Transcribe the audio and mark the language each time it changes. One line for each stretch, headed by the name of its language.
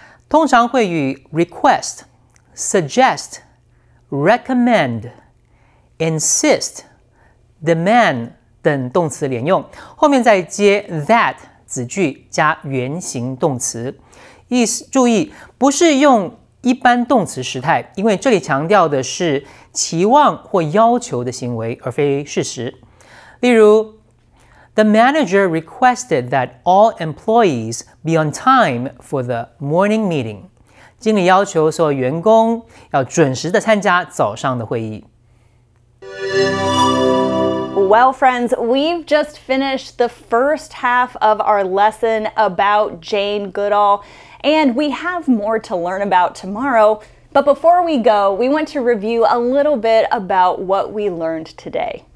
Chinese: 通常会与 request, suggest, recommend, insist, demand 等动词连用，后面再接 that 子句加原形动词。意思注意，不是用一般动词时态，因为这里强调的是期望或要求的行为，而非事实。例如
English: ，The manager requested that all employees be on time for the morning meeting.
Chinese: 经理要求所有员工要准时的参加早上的会议。
English: Well, friends, we've just finished the first half of our lesson about Jane Goodall, and we have more to learn about tomorrow. But before we go, we want to review a little bit about what we learned today.